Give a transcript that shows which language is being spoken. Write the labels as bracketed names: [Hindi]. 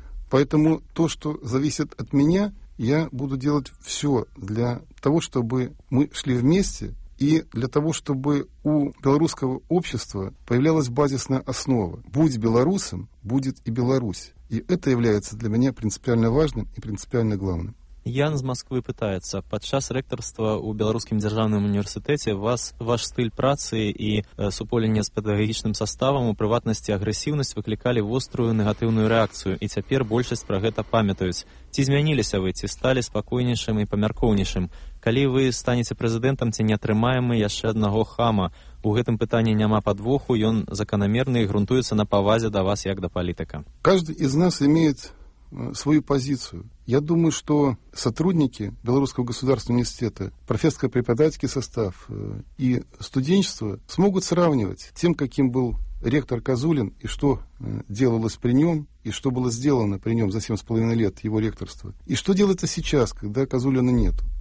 [Russian] Поэтому то, что зависит от меня, я буду делать все для того, чтобы мы шли вместе, и для того, чтобы у белорусского общества появлялась базисная основа. Будь белорусом, будет и Беларусь. И это является для меня принципиально важным и принципиально главным. [Belarusian] Ян з Москвы пытается. Падчас ректорства у Беларускім дзяржаўным універсітэце ваш стыль працы і супольнення з педагагічным саставам, у прыватнасці агрэсіўнасць, выклікалі вострую негатыўную рэакцыю, і цяпер большасць пра гэта памятаюць. Ці змяніліся вы, ці сталі спакойнейшым і памяркоўнейшым? Калі вы станеце прэзідэнтам, ці не атрымаем мы яшчэ аднаго хама? У гэтым пытанні няма падвоху, ён заканамерны і грунтуецца на павазе да вас як да палітыка. Кожны із нас мае свою позицию. [Russian] Я думаю, что сотрудники Белорусского государственного университета, профессорско-преподавательский состав и студенчество смогут сравнивать тем, каким был ректор Козулин и что делалось при нем, и что было сделано при нем за 7,5 лет его ректорства, и что делается сейчас, когда Козулина нет.